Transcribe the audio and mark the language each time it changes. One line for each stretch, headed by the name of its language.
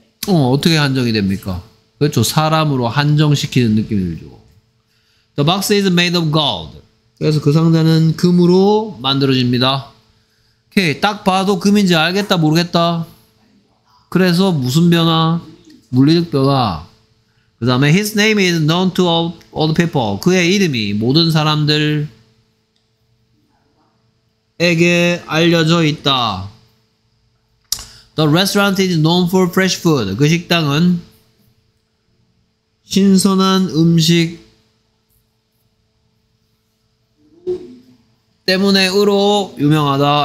Korean: 어떻게 한정이 됩니까? 그렇죠. 사람으로 한정시키는 느낌이 들죠.
English: The box is made of gold.
Korean: 그래서 그 상자는 금으로 만들어집니다. 오케이. 딱 봐도 금인지 알겠다 모르겠다. 그래서 무슨 변화? 물리적 변화. 그 다음에
English: His name is known to all the people.
Korean: 그의 이름이 모든 사람들에게 알려져 있다.
English: The restaurant is known for fresh food.
Korean: 그 식당은 신선한 음식 때문에으로 유명하다.